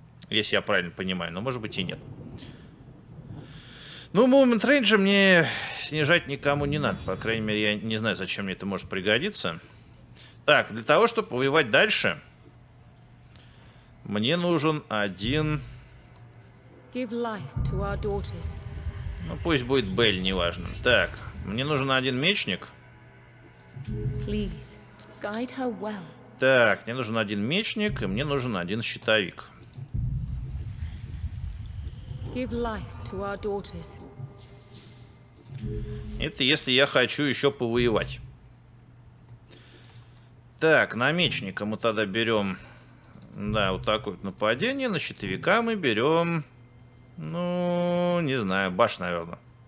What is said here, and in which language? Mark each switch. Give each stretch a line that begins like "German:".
Russian: Если я правильно понимаю. Но, может быть, и нет. Ну, Movement Range мне снижать никому не надо. По крайней мере, я не знаю, зачем мне это может пригодиться. Так, для того, чтобы воевать дальше, мне нужен один...
English: Give life to our daughters.
Russian: Ну, пусть будет Белль, неважно. Так, мне нужен один мечник.
English: Please, guide her well.
Russian: Так, мне нужен один мечник, и мне нужен один щитовик.
English: Give life to our daughters.
Russian: Это если я хочу еще повоевать. Так, на мечника мы тогда берем... Да, вот такое вот нападение. На щитовика мы берем... Ну, не знаю, баш, наверное.